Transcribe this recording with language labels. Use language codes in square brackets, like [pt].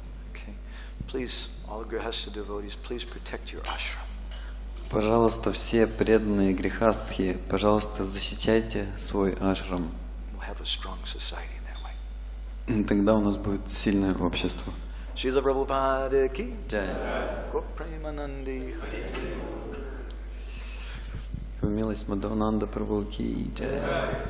[en] Okay. Please, all grihastha devotees, please protect your ashram. [ru] Пожалуйста, все преданные грихастхи, пожалуйста, защищайте свой ашрам. [en] We'll have a strong society in that way. [ru] Тогда у нас будет сильное общество. Srila Prabhupada ki jai. Gaur Premananda hari. В милость Мадхавананда Прабху ки джай.